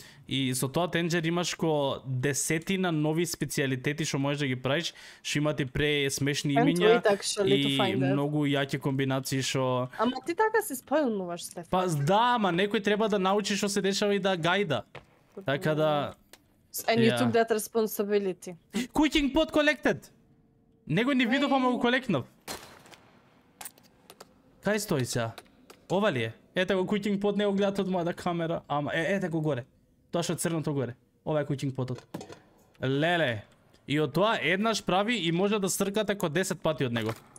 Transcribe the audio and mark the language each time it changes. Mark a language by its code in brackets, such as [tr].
[mk] И со тоа тенџер имаш ко десетина нови специјалитети што можеш да ги правиш, што имаат и пре смешни имиња и многу јаки комбинации што... Ама ти така се спојлнуваш, Стефан. Па да, ама некој треба да научи што се дешава и да гајда. Така да... [en] And you took that responsibility. Cooking pot collected! [mk] Него ни видов, ама го колекнав. Кај стои сега? Ова ли е? Ете го cooking pot, не го гледат од мојата камера. Ама, ете го горе. Тоа шо е црното горе. Ова е кучинг потот. Леле. И од тоа еднаш прави и може да стркате ко 10 пати од него.